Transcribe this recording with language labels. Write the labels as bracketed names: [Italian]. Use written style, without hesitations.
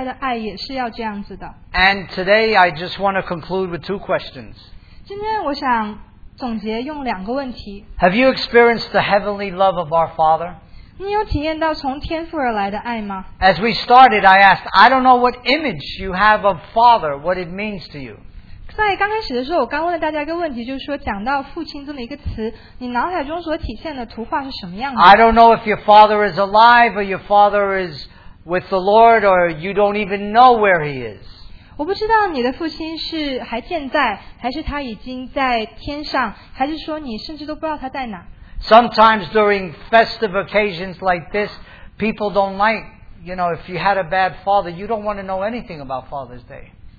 [Chinese] 作为,如果我们是做父亲的,我们别忘了,我们不仅要是对孩子们的爱是同样的,而且对太太的爱也是要这样子的。And [English] today I just want to conclude with two questions. [Chinese] 今天我想总结用两个问题。Have [English] you experienced the heavenly love of our Father? [Chinese] 你有体验到从天父而来的爱吗? [English] As we started, I asked, I don't know what image you have of Father, what it means to you. [Chinese] 在刚开始的时候,我刚问了大家一个问题,就是说讲到父亲这么一个词,你脑海中所体现的图画是什么样的? [English] I don't know if your father is alive or your father is with the Lord or you don't even know where he is. [Chinese] 我不知道你的父亲是还健在,还是他已经在天上,还是说你甚至都不知道他在哪? [English] Sometimes during festive occasions like this, people don't like, you know, if you had a bad father, you don't want to know anything about Father's Day.